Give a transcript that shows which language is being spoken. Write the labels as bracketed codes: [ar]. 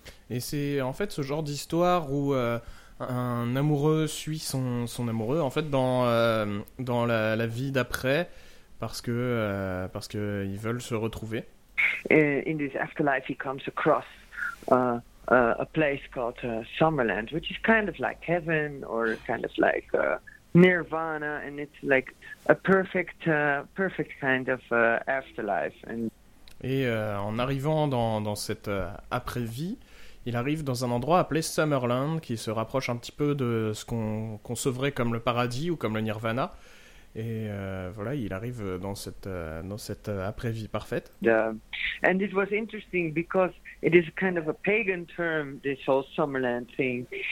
[fr] Et c'est en fait ce genre d'histoire où un amoureux suit son amoureux en fait dans la vie d'après parce que ils veulent se retrouver. [en] In this afterlife he comes across a place called Summerland, which is kind of like heaven or kind of like Nirvana, and it's like a perfect kind of afterlife. And [fr] En arrivant dans cette après-vie, il arrive dans un endroit appelé Summerland, qui se rapproche un petit peu de ce qu'on concevrait comme le paradis ou comme le Nirvana. Et voilà, il arrive dans cette après-vie parfaite. [en] And it was interesting because it is kind of a pagan term, this whole Summerland thing.